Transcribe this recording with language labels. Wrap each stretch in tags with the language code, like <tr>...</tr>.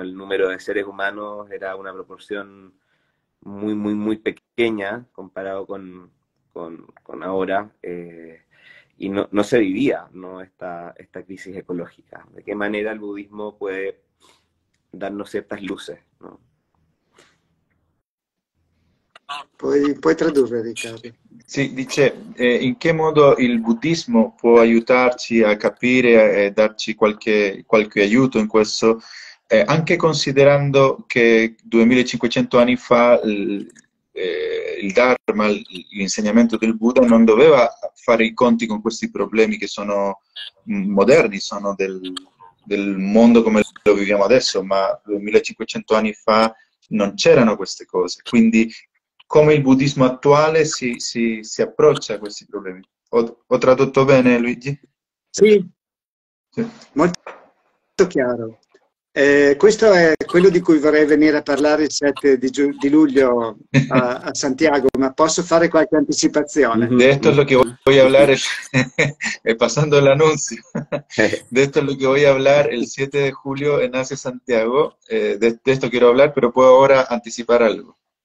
<es>El número de seres humanos era una proporción muy, muy, muy pequeña comparado con ahora, y no se vivía, ¿no? Esta crisis ecológica. ¿De qué manera el budismo puede darnos ciertas luces, ¿no?</es> <it>Puoi tradurre, Riccardo. Sì, dice, in che modo il buddismo può aiutarci a capire e darci qualche aiuto in questo? Anche considerando che 2500 anni fa il Dharma, l'insegnamento del Buddha, non doveva fare i conti con questi problemi che sono moderni, sono del mondo come lo viviamo adesso, ma 2500 anni fa non c'erano queste cose. Quindi come il buddismo attuale si approccia a questi problemi? Ho tradotto bene, Luigi? Sì, Sì. molto chiaro. Questo è quello di cui vorrei venire a parlare il 7 di luglio a Santiago, ma posso fare qualche anticipazione?</it> <es>De esto es lo que voy a hablar, pasando el anuncio, de esto es lo que voy a hablar el 7 de julio en ASE Santiago, de esto quiero hablar, pero puedo ahora anticipar algo.</es>